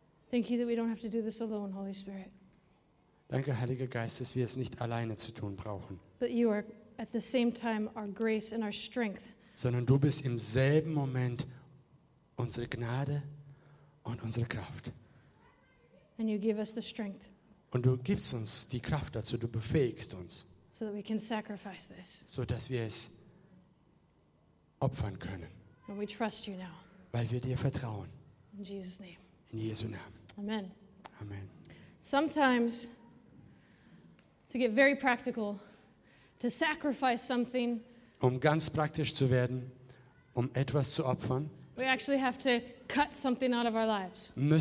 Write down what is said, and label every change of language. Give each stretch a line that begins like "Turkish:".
English: Thank you that we don't have to do this alone, Holy Spirit.
German: Danke, Heiliger Geist, dass wir es nicht alleine zu tun brauchen.
English: But you are at the same time our grace and our strength.
German: Sondern du bist im selben Moment unsere Gnade und unsere Kraft.
English: And you give us the strength.
German: Und du gibst uns die Kraft dazu, du befähigst uns.
English: So that we can sacrifice this.
German: So dass wir es opfern können.
English: And we trust you now.
German: Weil wir dir vertrauen.
English: In Jesus' name.
German: In Jesu Namen.
English: Amen.
German: Amen.
English: Sometimes, to get very practical, to sacrifice something,
German: um ganz praktisch zu werden, um etwas zu opfern,
English: we actually have to cut something out of our lives.